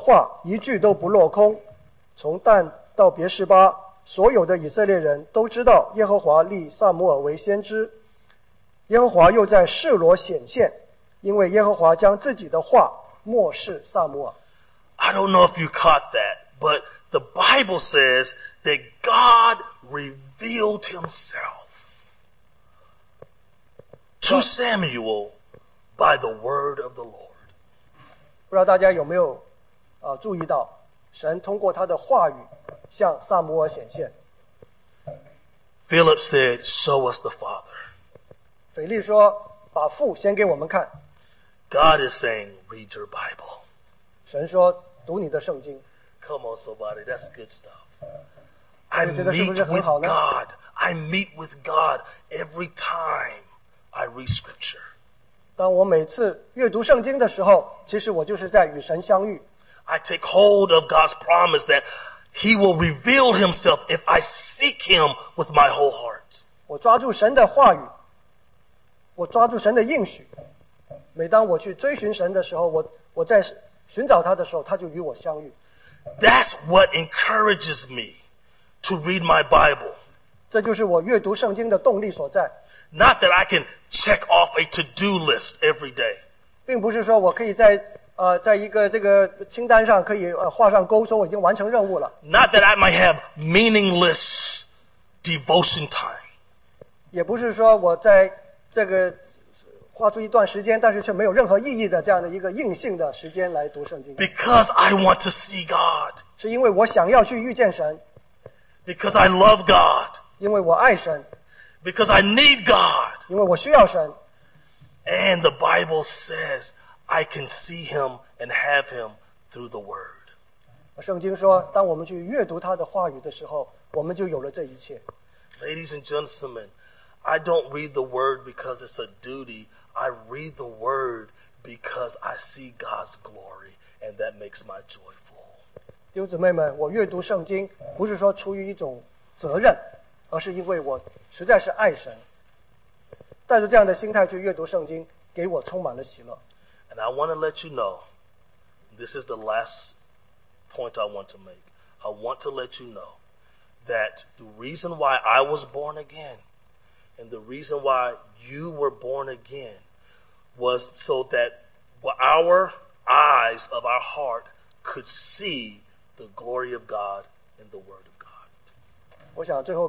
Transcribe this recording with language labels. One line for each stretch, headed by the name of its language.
Chinese: 撒母耳长大了，耶和华与他同在，使他所说的话一句都不落空，从但 到别示巴，所有的以色列人都知道耶和华立撒母耳为先知。耶和华又在示罗显现，因为耶和华将自己的话漠视撒母耳。
English: I don't know if you caught that, but the Bible says that God revealed himself to Samuel by the word of the Lord.
Chinese: 不知道大家有没有, 注意到, 神通过他的话语,
English: Philip said, show us the Father.
Chinese: 腓力说,
English: God is saying, read your Bible.
Chinese: 神说,
English: come on, somebody, that's good stuff. I meet with God. I meet with God every time I read scripture.
Chinese: 当我每次阅读圣经的时候,
English: I take hold of God's promise that He will reveal himself if I seek him with my whole heart.
Chinese: 我抓住神的话语, 我抓住神的应许, 每当我去追寻神的时候, 我在寻找他的时候, 他就与我相遇。
English: That's what encourages me to read my Bible.
Chinese: 这就是我阅读圣经的动力所在。
English: Not that I can check off a to-do list every day.
Chinese: 并不是说我可以在 在一个这个清单上可以, 画上勾, 说我已经完成任务了。
English: Not that I might have meaningless devotion time.
Chinese: 也不是说我在这个, 画出一段时间, 但是却没有任何意义的这样的一个硬性的时间来读圣经。
English: Because I want to see God.
Chinese: 是因为我想要去遇见神。
English: Because I love God.
Chinese: 因为我爱神。
English: Because I need God.
Chinese: 因为我需要神。
English: And the Bible says, I can see him and have him through the word.
Chinese: 圣经说, 当我们去阅读他的话语的时候, 我们就有了这一切。
English: Ladies and gentlemen, I don't read the word because it's a duty. I read the word because I see God's glory, and that makes my joy full.
Chinese: 弟兄姊妹们, 我阅读圣经, 不是说出于一种责任, 而是因为我实在是爱神。带着这样的心态去阅读圣经, 给我充满了喜乐。
English: And I want to let you know, this is the last point I want to make. I want to let you know that the reason why I was born again and the reason why you were born again was so that our eyes of our heart could see the glory of God in the Word of God.